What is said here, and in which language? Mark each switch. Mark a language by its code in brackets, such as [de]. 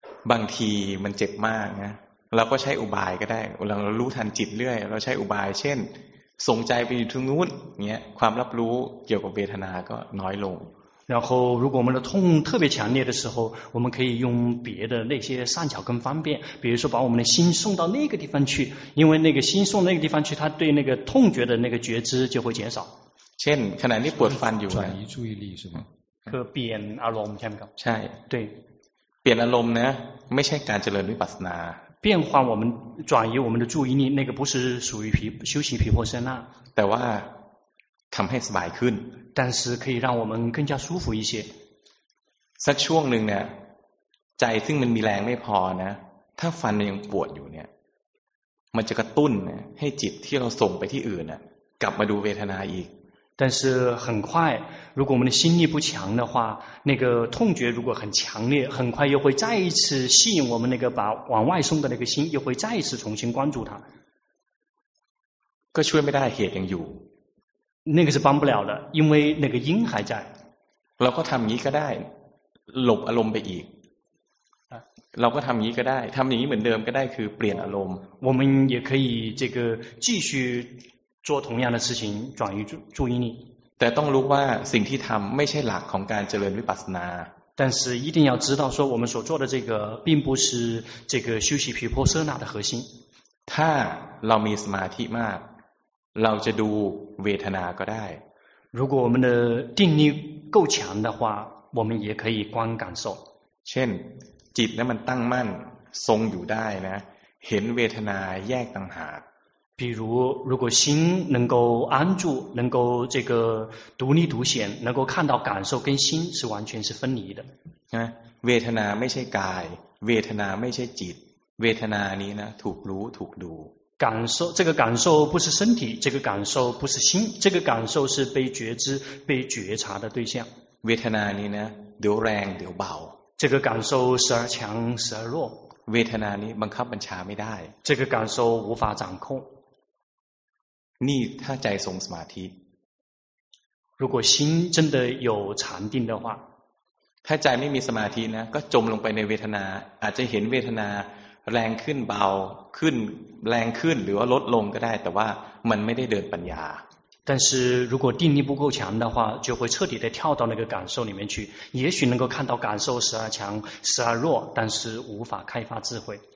[th] บางทีมันเจ็บมากนะเราก็ใช้อุบายก็ได้เรารู้ทันจิตเรื่อยเราใช้อุบายเช่นส่งใจไปอยู่ทางนู้นเงี้ยความรับรู้เกี่ยวกับเวทนาก็น้อยลง [zh] 然后如果我们的痛特别强烈的时候我们可以用别的那些善巧跟方便比如说把我们的心送到那个地方去因为那个心送那个地方去它对那个痛觉的那个觉知就会减少 [th] เช่นขณะนี้ปวดฟันอยู่ [zh] 转移注意力是吗 [th] คือเปลี่ยนอารมณ์ใช่ไหมครับ ใช่ [zh] 对 [th] เปลี่ยนอารมณ์นะไม่ใช่การเจริญวิปัสสนา [zh] 变化我们转移我们的注意力那个不是属于修习毗婆舍那 [th] แต่ว่าทำให้สบายขึ้น [zh] 但是可以让我们更加舒服一些 [th] สักช่วงหนึ่งเนี่ยใจซึ่งมันมีแรงไม่พอนะถ้าฟันมันยังปวดอยู่เนี่ยมันจะกระตุ้นให้จิตที่เราส่งไปที่อื่นน่ะกลับมาดูเวทนาอีก [zh] 但是很快如果我们的心力不强的话那个痛觉如果很强烈很快又会再一次吸引我们那个把往外送的那个心又会再一次重新关注它 [th] ก็ช่วยไม่ได้เหตุยังอยู่ [zh] 那个是帮不了的因为那个因还在 [th] เราก็ทำนี้ก็ได้หลบอารมณ์ไปอีกเราก็ทำนี้ก็ได้ทำนี้เหมือนเดิมก็ได้คือเปลี่ยนอารมณ์ [zh] 我们也可以这个继续做同样的事情转移注意力 [th] แต่ต้องรู้ว่าสิ่งที่ทำไม่ใช่หลักของการเจริญวิปัสสนา [zh] 但是一定要知道说我们所做的这个并不是这个修习毗婆舍那的核心 [th] ถ้าเรามีสมาธิมากเราจะดูเวทนาก็ได้ [zh] 如果我们的定力够强的话我们也可以观感受 [th] เช่นจิตนั้นมันตั้งมั่นทรงอยู่ได้นะเห็นเวทนาแยกต่างหาก [zh] 比如如果心能够安住能够这个独立独显能够看到感受跟心是完全是分离的 [th] เวทนาไม่ใช่กายเวทนาไม่ใช่จิตเวทนานี้นะถูกรู้ถูกดู [zh] 感受这个感受不是身体这个感受不是心这个感受是被觉知被觉察的对象 [th] เวทนานี้นะเดี๋ยวแรงเดี๋ยวเบา [zh] 这个感受时而强时而弱 [th] เวทนานี้บังคับบัญชาไม่ได้ [zh] 这个感受无法掌控 [th] นี่ถ้าใจทรงสมาธิ [zh] 如果心真的有禅定的话 [th] ถ้าใจไม่มีสมาธินะก็จมลงไปในเวทนาอาจจะเห็นเวทนาแรงขึ้นเบาขึ้นแรงขึ้นหรือว่าลดลงก็ได้แต่ว่ามันไม่ได้เดินปัญญา [zh] 但是如果定力不够强的话就会彻底的跳到那个感受里面去也许能够看到感受时而强时而弱但是无法开发智慧